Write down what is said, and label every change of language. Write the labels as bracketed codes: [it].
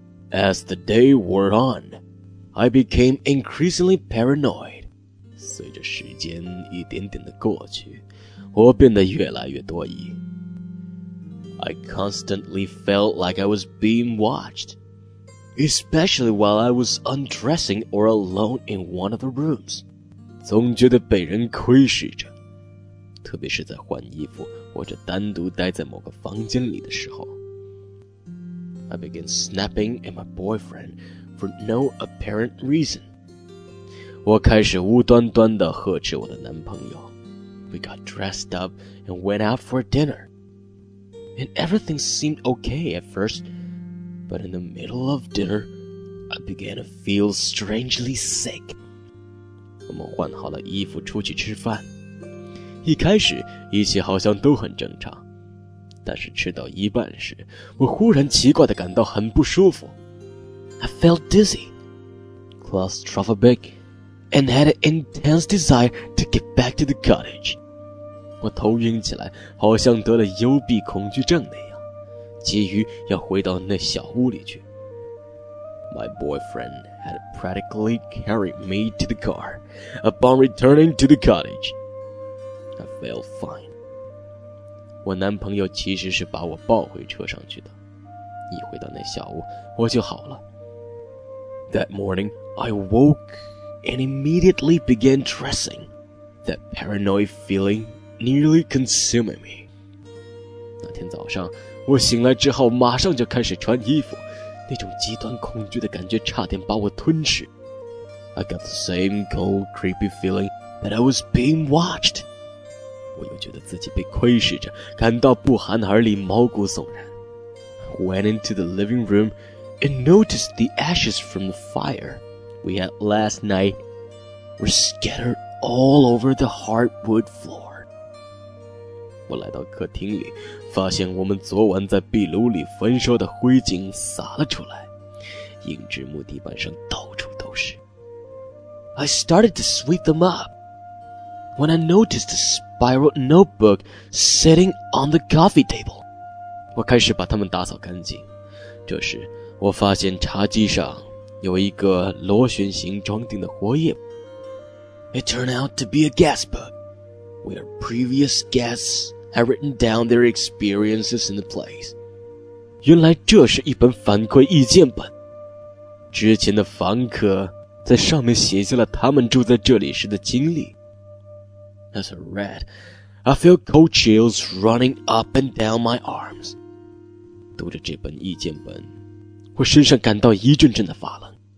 [en] As the day wore on, I became increasingly paranoid. [zh] 随着时间一点点的过去，我变得越来越多疑。 [en] I constantly felt like I was being watched, especially while I was undressing or alone in one of the rooms. [zh] 总觉得被人窥视着，特别是在换衣服或者单独待在某个房间里的时候。 [en] I began snapping at my boyfriend for no apparent reason. [zh] 我开始无端端地呵斥我的男朋友。 [en] We got dressed up and went out for dinner. And everything seemed okay at first, but in the middle of dinner, I began to feel strangely sick. [zh] 我们换好了衣服出去吃饭。一开始一切好像都很正常，但是吃到一半时，我忽然奇怪地感到很不舒服。 [en] I felt dizzy, claustrophobic, and had an intense desire to get back to the cottage. [zh] 我头晕起来，好像得了幽闭恐惧症那样，急于要回到那小屋里去。 [en] My boyfriend had practically carried me to the car. Upon returning to the cottage, I felt fine. [zh] 我男朋友其实是把我抱回车上去的。一回到那小屋，我就好了。 [en] That morning, I woke and immediately began dressing. That paranoid feeling nearly consuming me. [zh] 那天早上，我醒来之后马上就开始穿衣服，那种极端恐惧的感觉差点把我吞噬。 [en] I got the same cold, creepy feeling that I was being watched. [zh] 我又觉得自己被窥视着，感到不寒而栗，毛骨悚然。 [en] Went into the living room and noticed the ashes from the fire we had last night were scattered all over the hardwood floor. [zh] 我来到客厅里，发现我们昨晚在壁炉里焚烧的灰烬洒了出来，硬质木地板上到处都是。 [en] I started to sweep them up when I noticed a spiral notebook sitting on the coffee table. [zh] 我开始把它们打扫干净，这时我发现茶几上有一个螺旋形装订的活页。 [en] It turned out to be a guest book, where previous guests had written down their experiences in the place. [zh] 原来这是一本反馈意见本，之前的房客在上面写下了他们住在这里时的经历。 [en] As I read, I felt cold chills running up and down my arms. [zh] 读着这本意见本，我身上感到一阵阵的发冷。